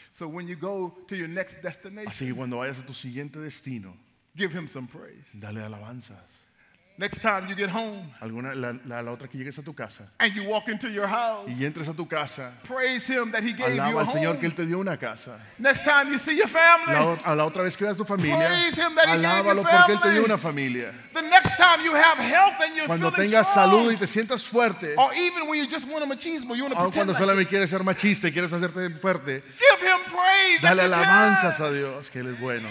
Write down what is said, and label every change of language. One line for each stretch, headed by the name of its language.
English: So when you go to your next destination.
Spanish: Así que cuando vayas a tu siguiente destino.
English: Give him some praise.
Spanish: Dale alabanzas.
English: Next time you get home.
Spanish: Alguna la otra que llegues a tu casa.
English: And you walk into your house.
Spanish: Y entres a tu casa.
English: Praise him that he gave
Spanish: alaba
English: you a home.
Spanish: Al Señor que él te dio una casa.
English: Next time you see your family.
Spanish: A la otra vez que veas tu familia.
English: Praise him that he gave you family.
Spanish: Alábalo porque él te dio una familia.
English: The next time you have health and you're
Spanish: cuando
English: feeling
Spanish: tengas
English: strong,
Spanish: salud y te sientas fuerte.
English: Or even when you just want a machismo, you want to pretend.
Spanish: Cuando
English: like
Spanish: solamente quieres ser machista y quieres hacerte fuerte.
English: Give him praise.
Spanish: Dale alabanzas a Dios que él es bueno.